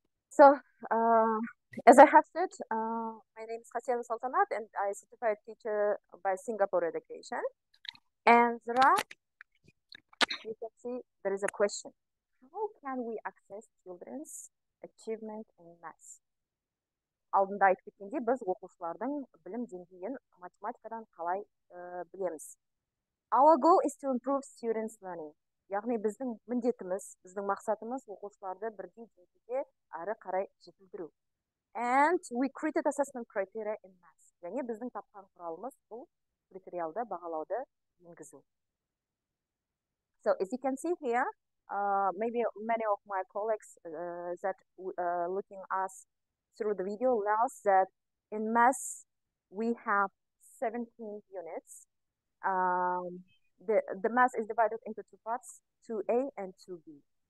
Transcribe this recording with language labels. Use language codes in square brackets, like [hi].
[en] So, as I have said, my name is Khassenova Saltanat, and I'm a certified teacher by Singapore Education. And there are, you can see, there is a question. How can we access children's achievement in math? [kk] Алдында айтып кеткендей, біз оқушылардың білім деңгейін математикадан қалай білеміз. [en] Our goal is to improve students' learning. [kk] Яғни біздің міндетіміз, біздің мақсатымыз оқушыларды бірдей деңгейге ары қарай жетілдіру. [en] And we created assessment criteria in math. [kk] Және біздің тапқан құралымыз бұл критериалды бағалауды енгізу. [en] So as you can see here, maybe many of my colleagues that looking us through the video allows that in math we have 17 units. The math is divided into two parts, 2A and 2B.